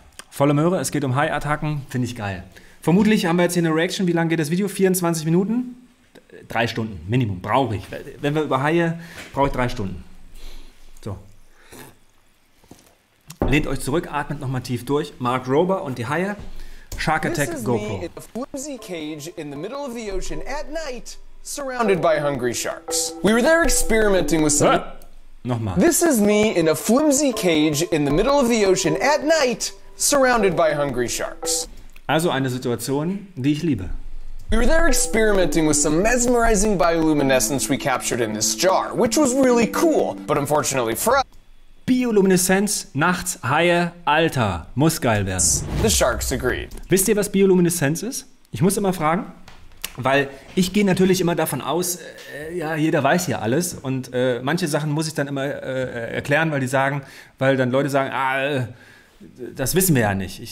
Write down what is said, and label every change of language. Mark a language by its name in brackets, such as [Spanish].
[German] Volle Möhre, es geht um Hai-Attacken. Finde ich geil. Vermutlich haben wir jetzt hier eine Reaction. Wie lange geht das Video? 24 Minuten? 3 Stunden, Minimum, brauche ich. Wenn wir über Haie, brauche ich 3 Stunden. So. Lehnt euch zurück, atmet nochmal tief durch. Mark Rober und die Haie. Shark Attack GoPro. [English] This is me in a flimsy cage in the middle of the ocean at night, surrounded by hungry sharks. We were there experimenting with some... [German] Nochmal. [English] This is me in a flimsy cage in the middle of the ocean at night, surrounded by hungry sharks. [German] Also eine Situation, die ich liebe. [English] We were there experimenting with some mesmerizing bioluminescence we captured in this jar, which was really cool, but unfortunately for us... [German] Biolumineszenz, nachts, Haie, Alter, muss geil werden. [English] The sharks agreed. [German] Wisst ihr, was Biolumineszenz ist? Ich muss immer fragen, weil ich gehe natürlich immer davon aus, ja, jeder weiß hier alles und manche Sachen muss ich dann immer erklären, weil dann Leute sagen, das wissen wir ja nicht.